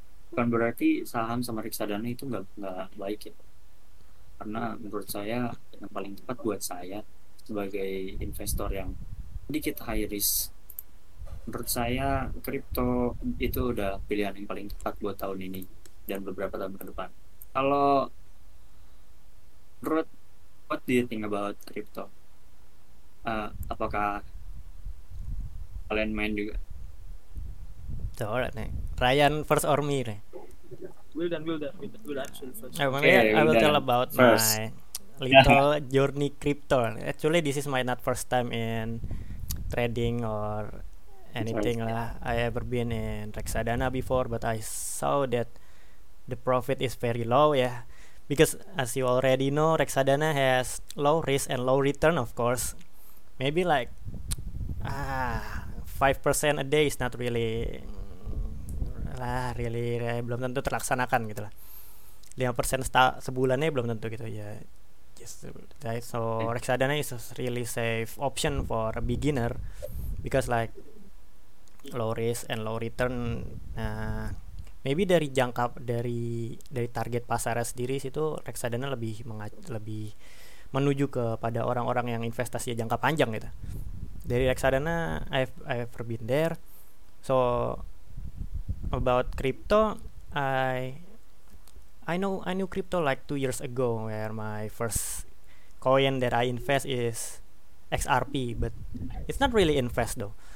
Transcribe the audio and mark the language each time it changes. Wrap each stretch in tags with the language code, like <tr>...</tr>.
<id>Bukan berarti saham sama reksadana itu nggak baik ya, karena menurut saya yang paling tepat buat saya sebagai investor yang sedikit high risk, menurut saya kripto itu udah pilihan yang paling tepat buat tahun ini dan beberapa tahun ke depan. Kalau menurut,</id> <en>what do you think about crypto?</en> <id>Apakah kalian main juga?</id> <en>Alright, nih. Ryan first or me nih? Wildan answer first. Maybe Okay, I will Wildan tell about first. my little journey crypto. Actually, this is my not first time in trading or anything lah. I ever been in reksadana before, but I saw that the profit is very low, yeah. Because as you already know, reksadana has low risk and low return, of course. Maybe like 5% a day is not really</en> <id>belum tentu terlaksanakan gitu lah. 5% sebulannya belum tentu gitu ya. Yeah. Yes.</id> <en>So reksadana is a really safe option for a beginner because like low risk and low return.</en> <id>Nah, maybe dari jangka dari target pasarnya sendiri situ reksadana lebih lebih menuju kepada orang-orang yang investasinya jangka panjang gitu. Dari reksadana</id> <en>I've ever been there. So about crypto, I knew crypto like 2 years ago where my first coin that I invest is XRP, but it's not really invest though.</en>